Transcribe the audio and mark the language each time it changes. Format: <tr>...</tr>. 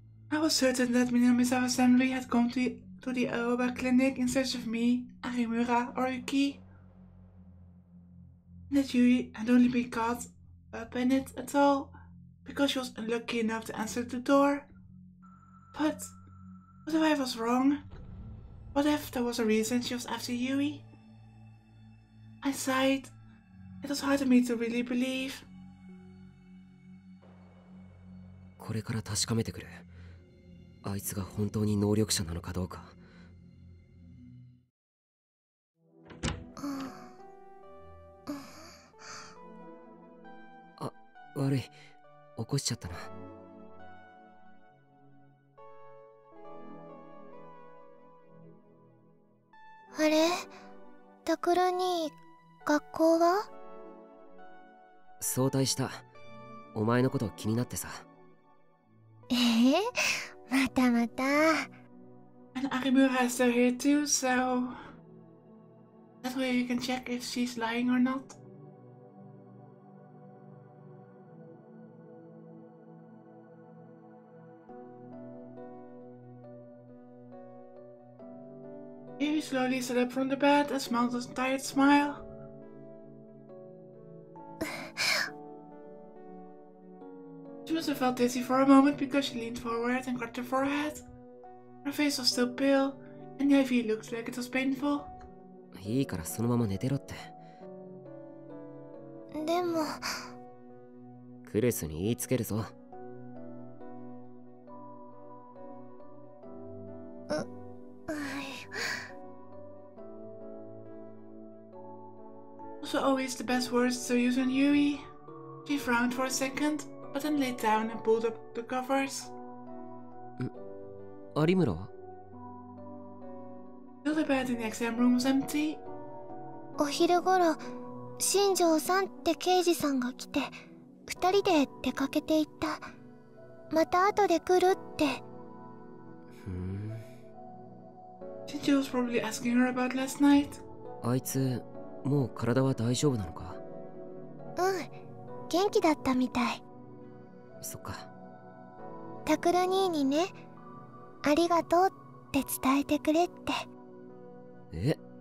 <en>I was certain that Minamisawa-san had gone to the Aoba clinic in search of me, Arimura, or Yuki, and that Yui had only been caught up in it at all because she was unlucky enough to answer the door. But what if I was wrong? What if there was a reason she was after Yui? I sighed. It was hard for me to really believe.</en> <ja>これから確かめてくれ。あいつが本当に能力者なのかどうか。あ、悪い。起こしちゃったな。あれ、タクラ兄、学校は？早退した。お前のこと気になってさ。ええ、またまた。</ja> <en>And Arimura is still here too, so that way you can check if she's lying or not. Yui slowly stood up from the bed and smiled a tired smile. She must have felt dizzy for a moment because she leaned forward and grabbed her forehead. Her face was still pale, and the IV looked like it was painful.</en> <ja>いいからそのまま寝てろって。でも… クレスに言いつけるぞ。</ja> <en>Also always the best words to use on Yui. She frowned for a second, but then laid down and pulled up the covers. Arimura? Still the bed in the exam room was empty.</en> <ja>お昼頃、新庄さんって刑事さんが来て、二人で出かけていった。また後で来るって。</ja> <en>Shinjo was probably asking her about last night.</en> <ja>あいつ…もう体は大丈夫なのか？うん、元気だったみたい。そっか。タクラ兄にね、ありがとうって伝えてくれって。え？</ja>